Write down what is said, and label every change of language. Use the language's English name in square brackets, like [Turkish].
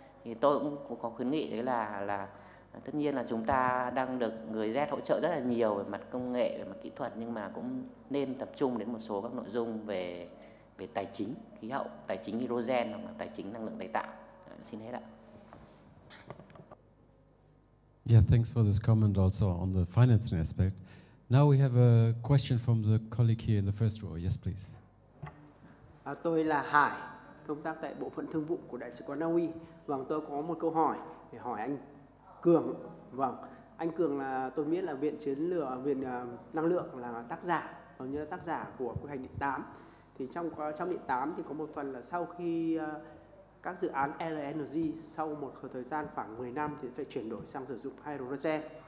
[Vietnamese] Thì tôi cũng có khuyến nghị đấy là tất nhiên là chúng ta đang được người Z hỗ trợ rất là nhiều về mặt công nghệ, về mặt kỹ thuật, nhưng mà cũng nên tập trung đến một số các nội dung về tài chính khí hậu, tài chính hydrogen hoặc là tài chính năng lượng tái tạo. Xin hết ạ. [English] Yeah, thanks for this comment also on the financing aspect. Now we have a question from the colleague here in the first row. Yes, please. [Vietnamese] Tôi là Hải, công tác tại Bộ phận Thương vụ của Đại sứ quán Na Uy. Vâng, tôi có một câu hỏi để hỏi anh Cường. Vâng, anh Cường là tôi biết là Viện Năng lượng là tác giả, hầu như là tác giả của quy hoạch điện 8. Thì trong điện 8 thì có một phần là sau khi các dự án LNG sau một thời gian khoảng 10 năm thì phải chuyển đổi sang sử dụng hydrogen.